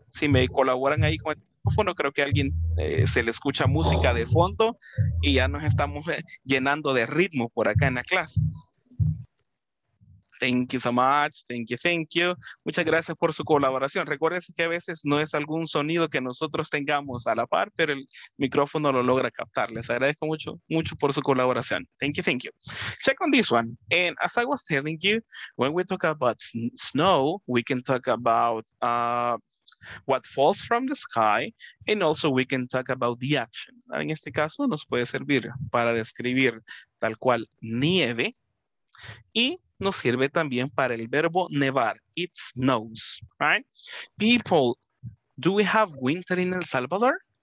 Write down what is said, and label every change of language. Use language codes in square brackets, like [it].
[es] Si me colaboran ahí con el micrófono, creo que alguien se le escucha música de fondo y ya nos estamos llenando de ritmo por acá en la clase. [en] Thank you so much. Thank you, thank you. [es] Muchas gracias por su colaboración. Recuérdense que a veces no es algún sonido que nosotros tengamos a la par, pero el micrófono lo logra captar. Les agradezco mucho, mucho por su colaboración. [en] Thank you, thank you. Check on this one. And as I was telling you, when we talk about snow, we can talk about what falls from the sky, and also we can talk about the action. [es] En este caso nos puede servir para describir tal cual nieve, y nos sirve también para el verbo nevar, [en] it snows, right? People, do we have winter in El Salvador?